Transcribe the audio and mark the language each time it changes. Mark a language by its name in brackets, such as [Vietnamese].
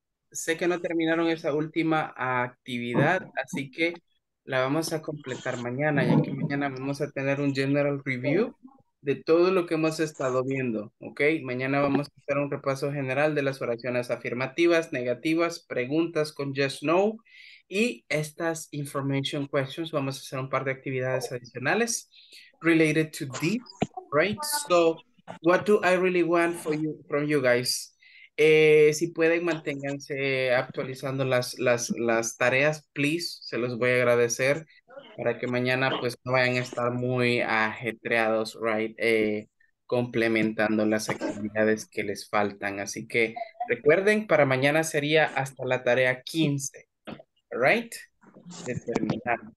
[Spanish] Sé que no terminaron esa última actividad, así que la vamos a completar mañana, ya que mañana vamos a tener un general review de todo lo que hemos estado viendo, ¿ok? Mañana vamos a hacer un repaso general de las oraciones afirmativas, negativas, preguntas con yes, no, y estas information questions. Vamos a hacer un par de actividades adicionales [English] related to this, [Spanish] right? [English] So, what do I really want for you, from you guys? [Spanish] Si pueden, manténganse actualizando las tareas, please, se los voy a agradecer, para que mañana pues no vayan a estar muy ajetreados, right, complementando las actividades que les faltan. Así que recuerden, para mañana sería hasta la tarea 15, right, de terminar.